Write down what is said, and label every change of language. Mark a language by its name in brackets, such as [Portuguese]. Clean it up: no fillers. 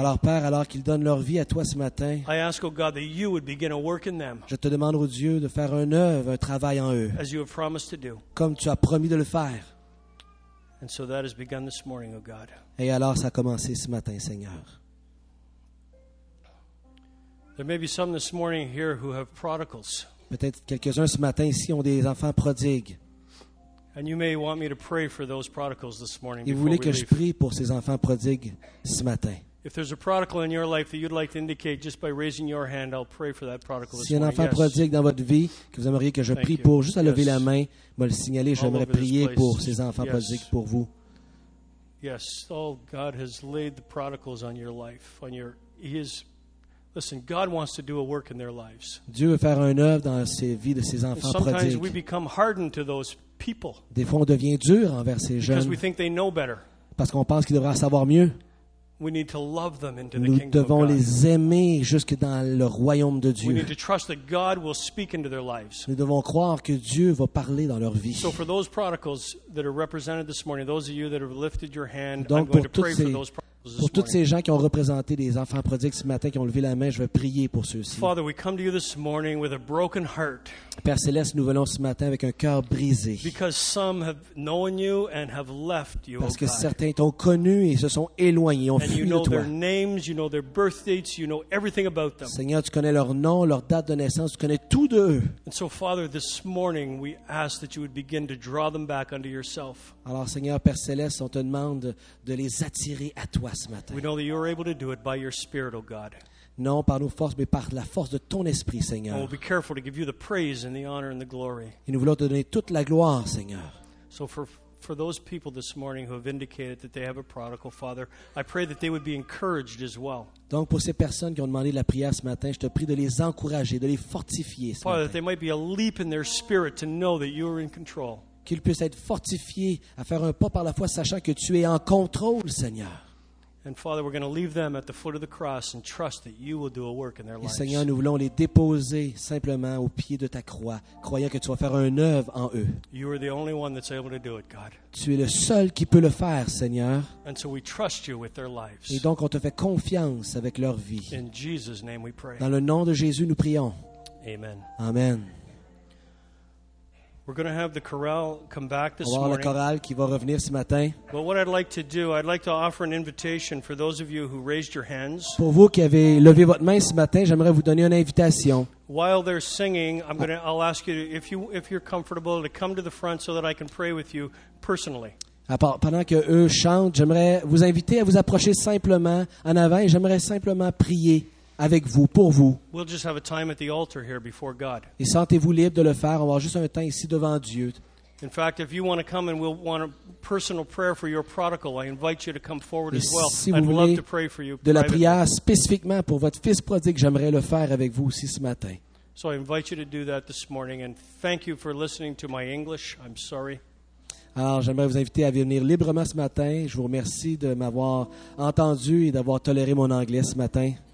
[French] alors Père, alors qu'ils donnent leur vie à toi ce matin, [English] I ask, oh God, that you would begin a work in them. [French] Je te demande, oh Dieu, de faire un œuvre, un travail en eux, [English] as you have promised to do. [French] Comme tu as promis de le faire. [English] And so that has begun this morning, oh God. [French] Et alors ça a commencé ce matin, Seigneur. [English] There may be some this morning here who have prodigals. [French] Peut-être quelques-uns ce matin ici ont des enfants prodigues. [English] And you may want me to pray for those prodigals this morning. [French] Et vous voulez que je prie pour ces enfants prodigues ce matin. [English] If there's a prodigal in your life that you'd like to indicate just by raising your hand, I'll pray for that prodigal this morning. [French] Si un enfant prodigue dans votre vie que vous aimeriez que je prie pour, juste à lever la main, me le signaler, j'aimerais prier pour ces enfants prodigues pour vous. [English] Yes, oh God has laid the prodigals on your life, on your his. Listen, God wants to do a work in their lives. [French] Dieu veut faire une œuvre dans ces vies de ces enfants prodigues. [English] Sometimes we become hardened to those people. [French] Des fois, on devient dur envers ces jeunes. [English] Because we think they know better. Parce qu'on pense qu'ils devraient savoir mieux. We need to love them into the kingdom of God. [French] Nous devons les aimer jusque dans le royaume de Dieu. [English] We need to trust that God will speak into their lives. [French] Nous devons croire que Dieu va parler dans leur vie. [English] So for those prodigals that are represented this morning, those of you that have lifted your hand, [French] donc, [English] I'm going to pray for those prodigals. [French] Pour toutes ces gens qui ont représenté des enfants prodigues ce matin, qui ont levé la main, je vais prier pour ceux-ci. [English] Father, we come to you this morning with a broken heart. [French] Père Céleste, nous venons ce matin avec un cœur brisé. [English] Because some have known you and have left you, [French] parce que certains t'ont connu et se sont éloignés, ont fui de toi. [English] Their names, you know their birth dates, you know everything about them. [French] Seigneur, tu connais leur nom, leur date de naissance, tu connais tout d'eux. [English] And so, Father, this morning, we ask that you would begin to draw them back unto yourself. [French] Alors, Seigneur, Père Céleste, on te demande de les attirer à toi ce matin. [English] We know that you are able to do it by your Spirit, O God. [French] Non, par nos forces, mais par la force de ton esprit, Seigneur. [English] And we'll be careful to give you the praise and the honor and the glory. [French] Et nous voulons te donner toute la gloire, Seigneur. [English] So for those people this morning who have indicated that they have a prodigal, Father, I pray that they would be encouraged as well. [French] Donc, pour ces personnes qui ont demandé de la prière ce matin, je te prie de les encourager, de les fortifier. [English] Father, that there might be a leap in their spirit to know that you are in control. [French] Qu'ils puissent être fortifiés à faire un pas par la foi, sachant que tu es en contrôle, Seigneur. [English] And Father, we're going to leave them at the foot of the cross and trust that you will do a work in their lives. [French] Et Seigneur, nous voulons les déposer simplement au pied de ta croix, croyant que tu vas faire une œuvre en eux. [English] You are the only one that's able to do it, God. [French] Tu es le seul qui peut le faire, Seigneur. [English] And so we trust you with their lives. [French] Et donc, on te fait confiance avec leur vie. [English] In Jesus' name, we pray. [French] Dans le nom de Jésus, nous prions. [English] Amen. [French] Amen. [English] We're going to have the chorale come back this [French] morning. La chorale qui va revenir ce matin. [English] But what I'd like to do, I'd like to offer an invitation for those of you who raised your hands. [French] Pour vous qui avez levé votre main ce matin, j'aimerais vous donner une invitation. [English] While they're singing, I'll ask you if you're comfortable to come to the front so that I can pray with you personally. [French] Pendant que eux chantent, j'aimerais vous inviter à vous approcher simplement en avant et j'aimerais simplement prier avec vous, pour vous. [English] We'll just have a time at the altar here before God. [French] Et sentez-vous libre de le faire. On va avoir juste un temps ici devant Dieu. [English] In fact, if you want to come and we'll want a personal prayer for your prodigal, I invite you to come forward as well. [French] Si vous [English] I'd [French] voulez [English] love to pray for you. [French] De la prière spécifiquement pour votre fils prodigue, j'aimerais le faire avec vous aussi ce matin. [English] So I invite you to do that this morning and thank you for listening to my English. I'm sorry. [French] Alors, j'aimerais vous inviter à venir librement ce matin. Je vous remercie de m'avoir entendu et d'avoir toléré mon anglais ce matin.